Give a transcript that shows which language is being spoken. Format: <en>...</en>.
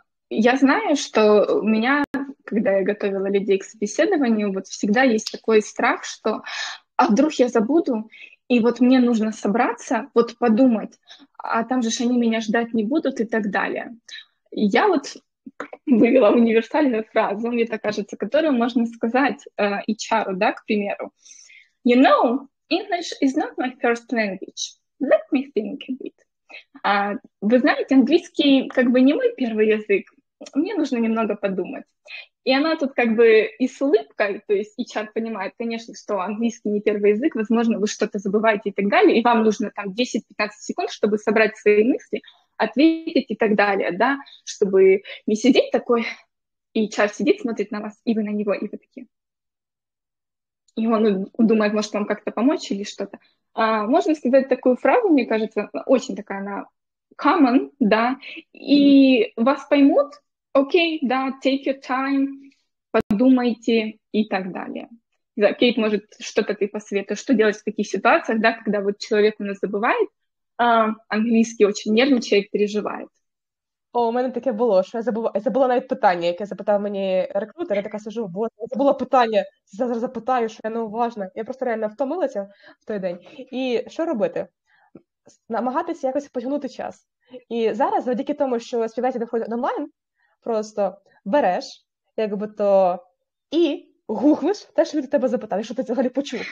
<uk>Я знаю, що у мене, коли я готувала</uk> <ru>людей к собеседованию, вот всегда есть такой страх, что а вдруг я забуду, и вот мне нужно собраться, вот подумать, а там же ж они меня ждать не будут и так далее. Я вот вывела универсальную фразу, мне так кажется, которую можно сказать HR, да, к примеру.</ru> <en>You know, English is not my first language. Let me think a bit.</en> <ru>Вы знаете, английский как бы не мой первый язык, мне нужно немного подумать. И она тут как бы и с улыбкой, то есть HR понимает, конечно, что английский не первый язык, возможно, вы что-то забываете и так далее, и вам нужно там 10-15 секунд, чтобы собрать свои мысли, ответить и так далее, да, чтобы не сидеть такой, и HR сидит, смотрит на вас, и вы на него, и вы такие. И он думает, может, вам как-то помочь или что-то. А можно сказать такую фразу, мне кажется, очень такая она common, да, и вас поймут, окей, да,</ru> <en>take your time,</en> <ru>подумайте и так далее. Да, Кейт, может, что-то ты посоветуешь, что делать в таких ситуациях, да, когда вот человек у нас забывает, английский очень нервничает, переживает.</ru> <uk>О, у мене таке було, що я забула навіть питання, яке запитав мені рекрутер, я така сижу, боже, я забула питання, зараз запитаю, що я неуважна. Я просто реально втомилася в той день. І що робити? Намагатися якось потягнути час. І зараз, завдяки тому, що співбесіди доходять онлайн, просто береш, якби то, і гуглиш те, що від тебе запитали, що ти взагалі почув.</uk>